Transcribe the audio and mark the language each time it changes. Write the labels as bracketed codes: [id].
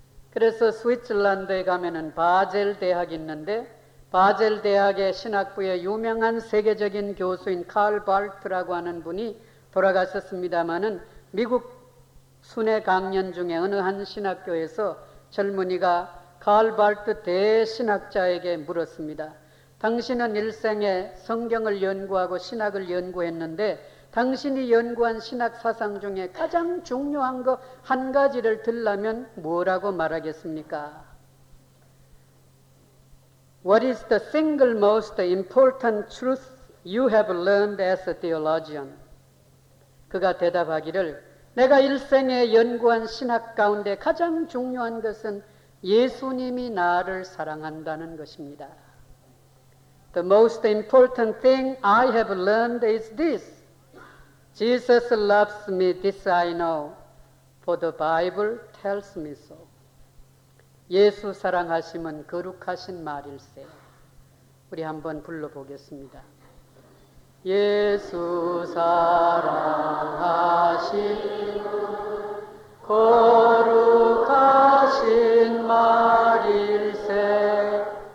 [ko] 그래서 스위스랜드에 가면은 바젤 대학이 있는데 바젤 대학의 신학부의 유명한 세계적인 교수인 칼 발트라고 하는 분이 돌아가셨습니다마는 미국 순회 강연 중에 어느 한 신학교에서 젊은이가 칼 발트 대신학자에게 물었습니다. 당신은 일생에 성경을 연구하고 신학을 연구했는데 당신이 연구한 신학 사상 중에 가장 중요한 것 한 가지를 들라면 뭐라고 말하겠습니까? [en] What is the single most important truth you have learned as a theologian? [ko] 그가 대답하기를, 내가 일생에 연구한 신학 가운데 가장 중요한 것은 예수님이 나를 사랑한다는 것입니다. [en] The most important thing I have learned is this. Jesus loves me, this I know, for the Bible tells me so. [ko] 예수 사랑하심은 거룩하신 말일세. 우리 한번 불러보겠습니다. 예수 사랑하심은 거룩하신 말일세.